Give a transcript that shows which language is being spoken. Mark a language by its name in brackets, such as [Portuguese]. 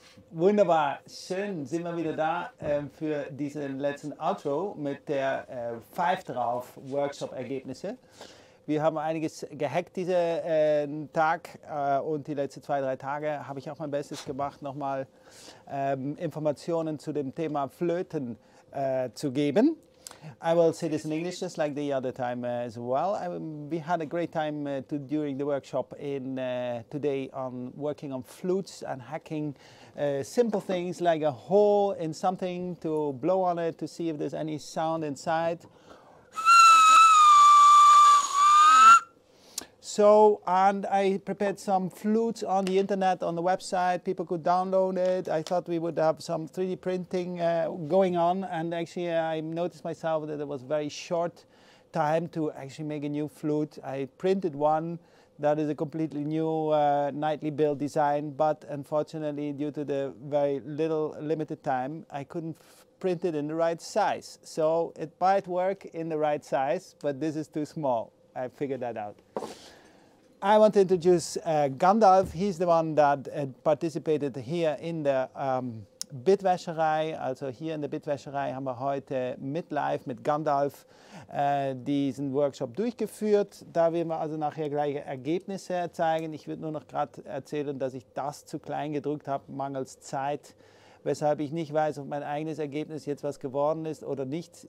[German] Wunderbar, schön sind wir wieder da für diesen letzten Outro mit der Pfeif-Drauf-Workshop-Ergebnisse. Wir haben einiges gehackt diesen Tag und die letzten zwei, drei Tage habe ich auch mein Bestes gemacht, nochmal Informationen zu dem Thema Flöten zu geben. [English] I will say this in English just like the other time as well. We had a great time during the workshop in today on working on flutes and hacking simple things like a hole in something to blow on it to see if there's any sound inside. So, and I prepared some flutes on the internet, on the website, people could download it. I thought we would have some 3D printing going on, and actually I noticed myself that it was very short time to actually make a new flute. I printed one that is a completely new nightly build design, but unfortunately due to the very little limited time, I couldn't print it in the right size. So it might work in the right size, but this is too small. I figured that out. I want to introduce Gandalf. He's the one that participated here in the Bitwäscherei. [German] Also [English] here in the [German] Bitwäscherei haben wir heute mit live mit Gandalf diesen Workshop durchgeführt. Da werden wir also nachher gleich Ergebnisse zeigen. Ich würde nur noch gerade erzählen, dass ich das zu klein gedrückt habe, mangels Zeit, weshalb ich nicht weiß, ob mein eigenes Ergebnis jetzt was geworden ist oder nicht.